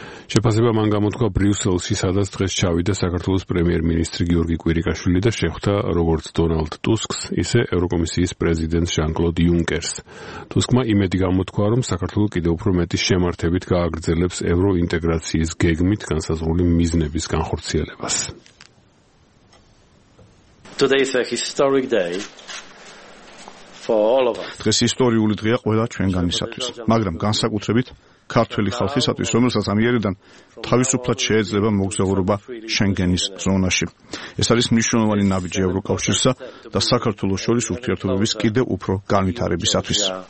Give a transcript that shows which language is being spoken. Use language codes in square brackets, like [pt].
[ka] შეფასება მან გამოთქვა ბრიუსელში, სადაც დღეს ჩავიდა საქართველოს პრემიერ-მინისტრი გიორგი კვირიკაშვილი და შეხვდა როგორც დონალდ ტუსკს, ისე ევროკომისიის პრეზიდენტ ჟან-კლოდ იუნკერს. ტუსკმა იმედი გამოთქვა, რომ საქართველო კიდევ უფრო მეტი შემართებით გააგრძელებს ევროინტეგრაციის გეგმით განსაზღვრული მიზნების განხორციელებას. [en] Today is a historic day for all of us. [ka] დღეს ისტორიული დღეა ყველა ჩვენგანისათვის, მაგრამ განსაკუთრებით ქართველი ხალხისათვის, რომელსაც ამიერიდან თავისუფლად შეეძლება მოგზაურობა შენგენის ზონაში. ეს არის მნიშვნელოვანი ნაბიჯი ევროკავშირსა და საქართველოს შორის ურთიერთობების კიდევ უფრო განვითარებისათვის.